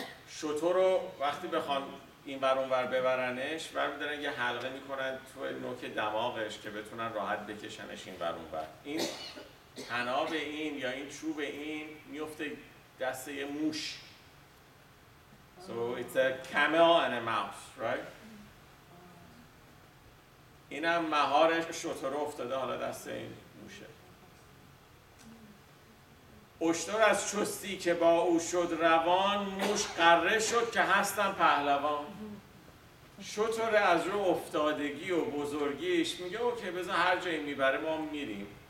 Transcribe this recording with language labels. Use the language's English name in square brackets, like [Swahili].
[Persian] شتر رو وقتی بخوان این بر اون بر ببرنش، برمیدارن یه حلقه میکنن تو نوک دماغش که بتونن راحت بکشنش این بر اون بر. این تناب این یا این چوب این میفته دسته یه موش. [English] So it's a camel and a mouse, right? [Persian] اینم مهارش شتر افتاده حالا دسته این موشه. اشتر از چستی که با او شد روان، موش قره شد که هستم پهلوان. شتر از رو افتادگی و بزرگیش میگه اوکی بذار هر جایی میبره ما میریم.